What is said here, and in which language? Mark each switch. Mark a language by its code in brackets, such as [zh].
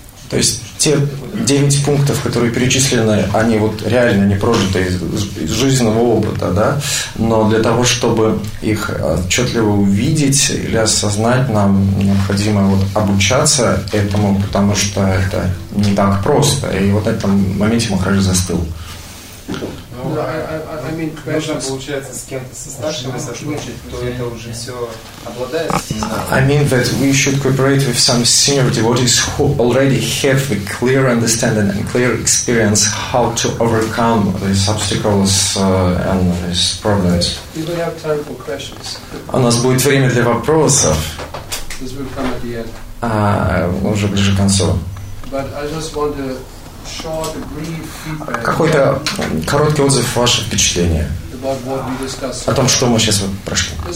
[ru] То есть те 9 пунктов, которые перечислены, они вот реально не прожиты из жизненного опыта, да? Но для того, чтобы их отчетливо увидеть или осознать, нам необходимо вот обучаться этому, потому что это не так просто. И вот в этом моменте Махарадж застыл. [en] I mean that we should cooperate with some senior devotees who already have a clear understanding and clear experience how to overcome these obstacles and these problems. We will have time for questions. [ru] У нас будет время для вопросов. [en] This will come at the end. [ru] Уже ближе к концу. [en] But I just want to. [ru] Какой-то короткий отзыв, ваше впечатление о том, что мы сейчас прошли.